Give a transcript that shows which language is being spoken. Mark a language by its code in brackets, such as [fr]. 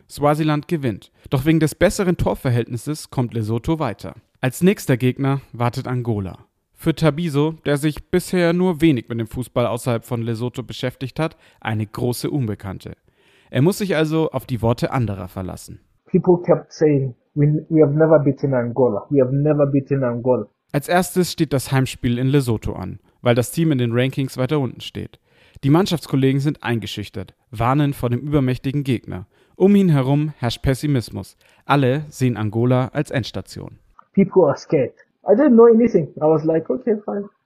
[de] Swasiland gewinnt. Doch wegen des besseren Torverhältnisses kommt Lesotho weiter. Als nächster Gegner wartet Angola. Für Tabiso, der sich bisher nur wenig mit dem Fußball außerhalb von Lesotho beschäftigt hat, eine große Unbekannte. Er muss sich also auf die Worte anderer verlassen. [en] People kept saying, we have never beaten Angola. We have never beaten Angola. [de] Als erstes steht das Heimspiel in Lesotho an, weil das Team in den Rankings weiter unten steht. Die Mannschaftskollegen sind eingeschüchtert, warnen vor dem übermächtigen Gegner. Um ihn herum herrscht Pessimismus. Alle sehen Angola als Endstation. [en] People are scared. I didn't know anything. I was like, okay, fine.